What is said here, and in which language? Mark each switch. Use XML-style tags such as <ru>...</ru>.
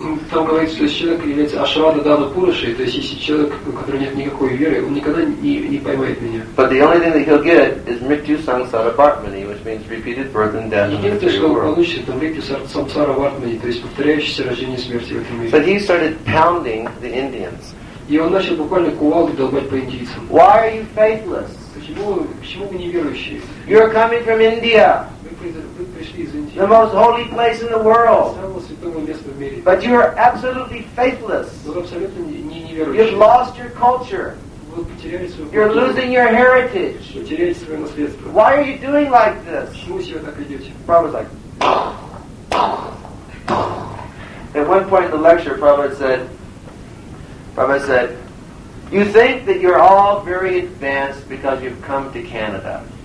<ru>Там говорится, что если человек является ашрада дана пуруши, то есть если человек, у которого нет никакой веры, он никогда не поймает меня.</ru> <en>But the only thing that he'll get is</en> <sa>mrityu sangsara bhartmani,</sa> <en>which means repeated birth and death in the material world. But he started pounding the Indians.</en> <ru>И он начал буквально кувалдой долбать по индийцам.</ru> <en>Why are you faithless?</en> <ru>Почему вы неверующие?</ru> <en>You're coming from India.</en> <ru>Вы пришли из Индии.</ru> <en>The most holy place in the world.</en> <ru>Самое святое место в мире.</ru> <en>But you are absolutely faithless.</en> <ru>Но вы абсолютно не неверующие.</ru> <en>You've lost your culture.</en> <ru>Вы потеряли свою культуру.</ru> <en>You're losing your heritage.</en> <ru>Вы теряете свое наследство.</ru> <en>Why are you doing like this?</en> <ru>Почему вы себя так ведете?</ru> <en>Prabhupada was like... At one point in the lecture, Prabhupada said, you think that you're all very advanced because you've come to Canada.</en>